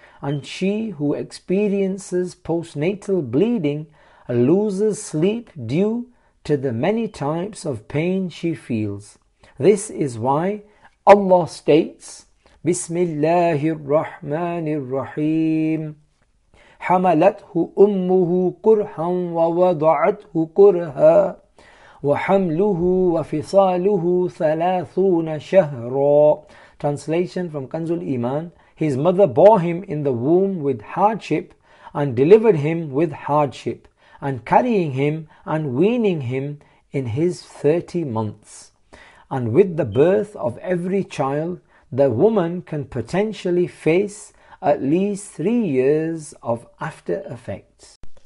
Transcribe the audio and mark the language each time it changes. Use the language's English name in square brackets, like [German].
[English] And she who experiences postnatal bleeding loses sleep due to the many types of pain she feels. This is why Allah states, Bismillahirrahmanirrahim. [Arabic] حملته أمه كرها ووضعته كرها وحمله وفصاله 30 شهرا. [English] Translation from Kanzul Iman. His mother bore him in the womb with hardship and delivered him with hardship and carrying him and weaning him in his 30 months. And with the birth of every child, the woman can potentially face at least 3 years of after effects.